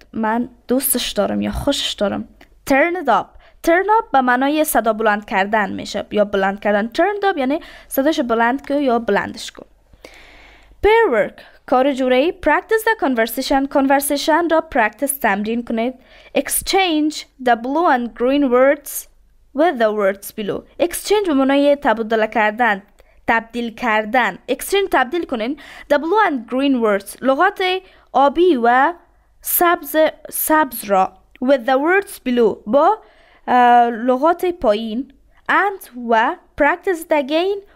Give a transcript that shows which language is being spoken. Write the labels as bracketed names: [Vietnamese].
[Persian] من دوستش دارم یا خوشش دارم. [English] Turn it up. [Persian] Turn up به معنای صدا بلند کردن میشه یا بلند کردن. Turn up یعنی صداش بلند کن یا بلندش کن. [English] Pair work. [Persian] کار جوره ای [English] practice the conversation. [Persian] Conversation را practice تمرین کنید. [English] Exchange the blue and green words with the words below. [Persian] Exchange به معنای تبدیل کردن. تبدیل کردن. [English] Exchange [Persian] تبدیل کنین. [English] The blue and green words. [Persian] لغات آبی و سبز را. [English] With the words below. [Persian] با لغات پایین. [English] And و practice it again.